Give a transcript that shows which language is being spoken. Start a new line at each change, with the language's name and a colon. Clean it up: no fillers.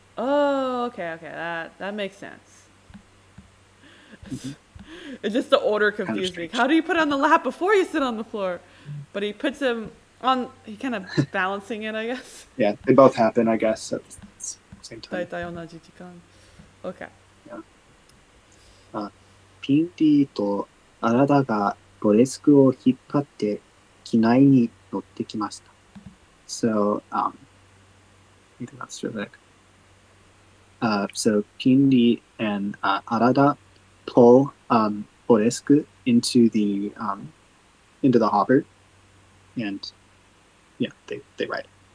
English: Oh, okay. That makes sense. Mm-hmm. It just the order confused me. How do you put it on the lap before you sit on the floor? But he puts him on, he kind of balancing it, I guess. Yeah, they both happen, I guess, at the same time.
Japanese: 大体同じ時間。Okay.
English: Yeah.
Japanese: ピンティとアラダがボレスクを引っ張って機内に乗ってきました。
English: So, maybe that's true, like, so Pindi and Arada pull Oresku into the hopper, and yeah, they ride.